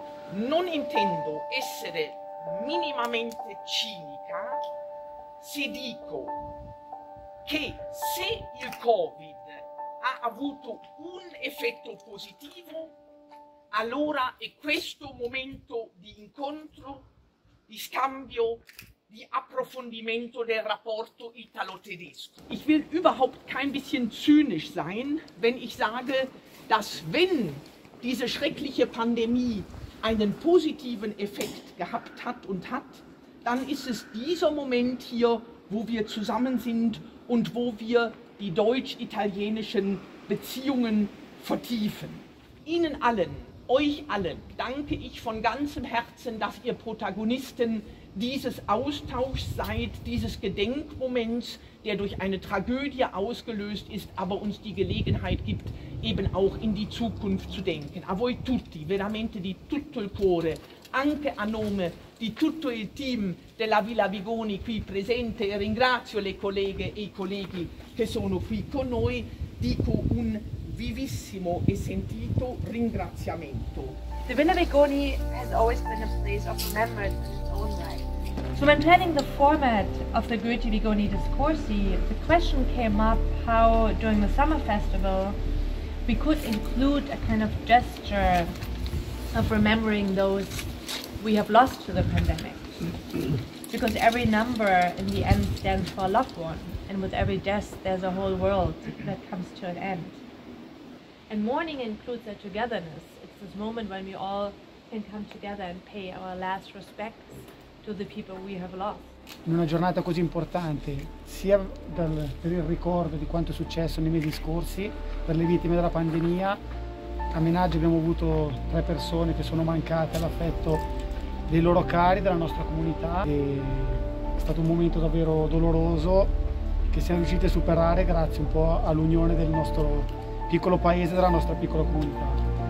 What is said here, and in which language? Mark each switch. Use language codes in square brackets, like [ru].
[it] non intendo essere minimamente cinica se dico che se il Covid ha avuto un effetto positivo, allora è questo momento di incontro, di scambio, di approfondimento del rapporto italo-tedesco. [de] Ich will überhaupt kein bisschen zynisch sein, wenn ich sage, dass wenn diese schreckliche Pandemie einen positiven Effekt gehabt hat und hat, dann ist es dieser Moment hier, wo wir zusammen sind und wo wir die deutsch-italienischen Beziehungen vertiefen. Ihnen allen, euch allen, danke ich von ganzem Herzen, dass ihr Protagonisten dieses Austauschs seid, dieses Gedenkmoments, der durch eine Tragödie ausgelöst ist, aber uns die Gelegenheit gibt, eben auch in die Zukunft zu denken. A voi tutti, veramente di tutto il cuore, anche a nome di tutto il team della Villa Vigoni qui presente, e ringrazio le colleghe e i colleghi che sono qui con noi, dico un vivissimo e sentito ringraziamento. [en] The Villa Vigoni has always been a place of remembrance in its own right. So when planning the format of the Goethe Vigoni Discorsi, the question came up how during the summer festival we could include a kind of gesture of remembering those we have lost to the pandemic. Because every number in the end stands for a loved one, and with every death there's a whole world that comes to an end. And mourning includes a togetherness. It's this moment when we all can come together and pay our last respects to the people we have lost. [it] In una giornata così importante, sia per il ricordo di quanto è successo nei mesi scorsi, per le vittime della pandemia, a Menaggio abbiamo avuto tre persone che sono mancate all'affetto dei loro cari, della nostra comunità. E è stato un momento davvero doloroso che siamo riusciti a superare grazie un po' all'unione del nostro piccolo paese, della nostra piccola comunità.